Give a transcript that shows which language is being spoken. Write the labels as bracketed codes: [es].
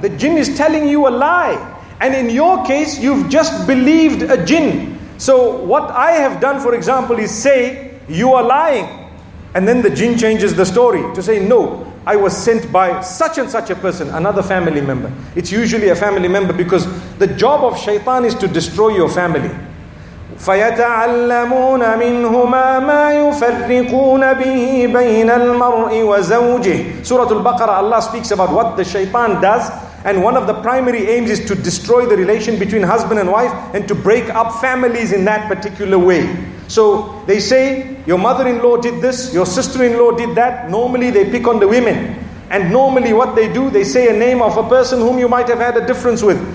[en] The jinn is telling you a lie. And in your case, you've just believed a jinn. So what I have done, for example, is say, you are lying. And then the jinn changes the story to say, no, I was sent by such and such a person, another family member. It's usually a family member because the job of shaitan is to destroy your family. [ar] فيتعلمون منهما ما يفرقون به بين المرء وزوجه. [en] سورة البقرة, Allah speaks about what the shaitan does, and one of the primary aims is to destroy the relation between husband and wife and to break up families in that particular way. So they say, your mother-in-law did this, your sister-in-law did that. Normally they pick on the women. And normally what they do, they say a name of a person whom you might have had a difference with.